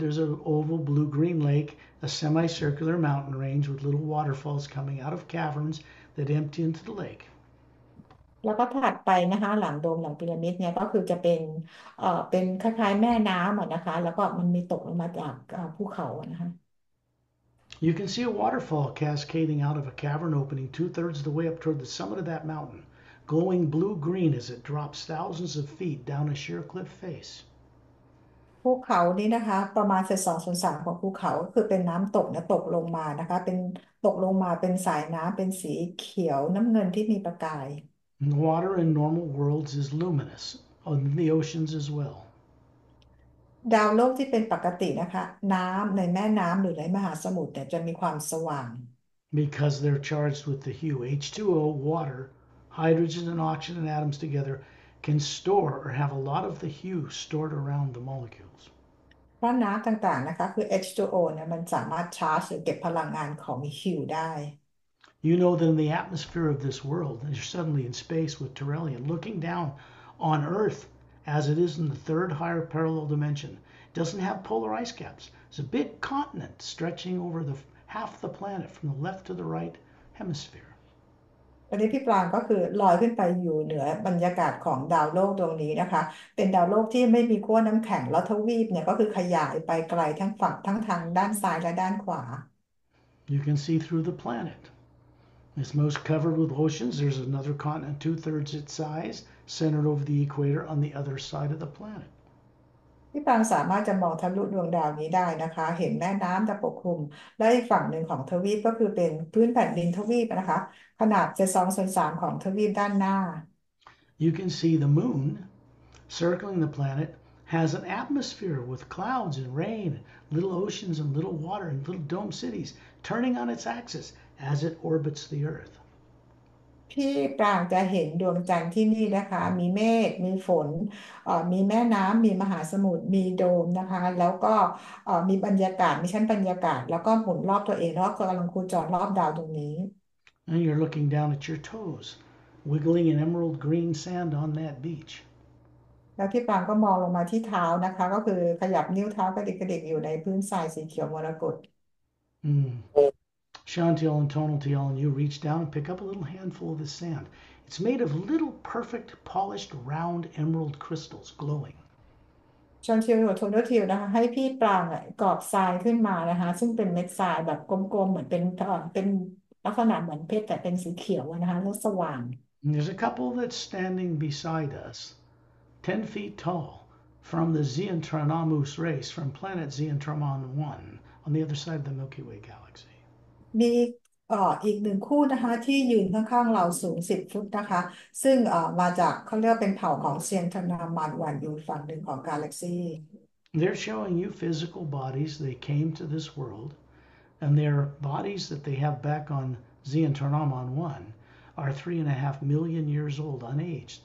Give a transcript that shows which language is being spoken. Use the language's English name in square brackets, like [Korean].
[English] There's an oval blue-green lake, a semicircular mountain range with little waterfalls coming out of caverns that empty into the lake. [Thai] แล้วก็ถัดไปนะคะหลังโดมหลังพีระมิดเนี่ยก็คือจะเป็นคล้ายๆแม่น้ำอ่ะนะคะแล้วก็มันมีตกลงมาจากภูเขานะคะ [English] You can see a waterfall cascading out of a cavern opening two-thirds of the way up toward the summit of that mountain, glowing blue-green as it drops thousands of feet down a sheer cliff face. [Thai] ภูเขานี้นะคะประมาณ2/3ของภูเขาก็คือเป็นน้ําตกนะตกลงมานะคะเป็นตกลงมาเป็นสายน้ําเป็นสีเขียวน้ําเงินที่มีประกาย [English] The water in normal worlds is luminous, and in the oceans as well. [Thai] ดาวโลกที่เป็นปกตินะคะน้ำในแม่น้ำหรือในมหาสมุทรเนี่ยจะมีความสว่าง [English] Because they're charged with the hue, H2O, water, hydrogen and oxygen atoms together can store or have a lot of the hue stored around the molecules. [Thai] เพราะน้ำต่างๆนะคะคือ H2O เนี่ยมันสามารถชาร์จหรือเก็บพลังงานของฮิวได้ [English] You know that in the atmosphere of this world, you're suddenly in space with Torellian, looking down on Earth as it is in the third higher parallel dimension. It doesn't have polar ice caps. It's a big continent stretching over the half the planet from the left to the right hemisphere. [Thai] ตอนนี้พี่ปรางก็คือลอยขึ้นไปอยู่เหนือบรรยากาศของดาวโลกดวงนี้นะคะเป็นดาวโลกที่ไม่มีขั้วน้ําแข็งแล้วทวีปเนี่ยก็คือขยายไปไกลทั้งฝั่งทั้งทางด้านซ้ายและด้านขวา [English] You can see through the planet. It's most covered with oceans. There's another continent two-thirds its size, centered over the equator on the other side of the planet. [Thai] พี่ปรางสามารถจะมองทะลุดวงดาวนี้ได้นะคะเห็นแม่น้ำจะปกคลุมและอีกฝั่งหนึ่งของทวีปก็คือเป็นพื้นแผ่นดินทวีปนะคะขนาด2/3ของทวีปด้านหน้า [English] You can see the moon, circling the planet, has an atmosphere with clouds and rain, little oceans and little water and little dome cities turning on its axis as it orbits the Earth. [Thai] พี่ปรางจะเห็นดวงจันทร์ที่นี่นะคะมีเมฆมีฝนมีแม่น้ำมีมหาสมุทรมีโดมนะคะแล้วก็มีบรรยากาศมีชั้นบรรยากาศแล้วก็หมุนรอบตัวเองแล้วก็กำลังคูจรรอบดาวตรงนี้ [English] And you're looking down at your toes, wiggling in emerald green sand on that beach. [Thai] แล้วพี่ปรางก็มองลงมาที่เท้านะคะก็คือขยับนิ้วเท้ากระดิกกระดิกอยู่ในพื้นทรายสีเขียวมรกต [English] Chantiel and Tonaltiel, and you reach down and pick up a little handful of the sand. It's made of little, perfect, polished, round emerald crystals glowing. [Thai] ชอนเทียวหรือโทนเทียวนะคะให้พี่ปรางกอบทรายขึ้นมานะคะซึ่งเป็นเม็ดทรายแบบกลมๆเหมือนเป็นลักษณะเหมือนเพชรแต่เป็นสีเขียวนะคะแล้วสว่าง [English] And there's a couple that's standing beside us, 10 feet tall, from the Xiantaranamus race, from planet Xiantaman 1, on the other side of the Milky Way galaxy. [Thai] มีอีกหนึ่งคู่นะคะที่ยืนข้างๆเราสูง10 ฟุตนะคะซึ่งมาจากเขาเรียกเป็นเผ่าของเซียนทนามานวันอยู่ฝั่งหนึ่งของกาแล็กซี่ [English] They're showing you physical bodies they came to this world, and their bodies that they have back on Xiantaranamon 1 are 3.5 million years old, unaged.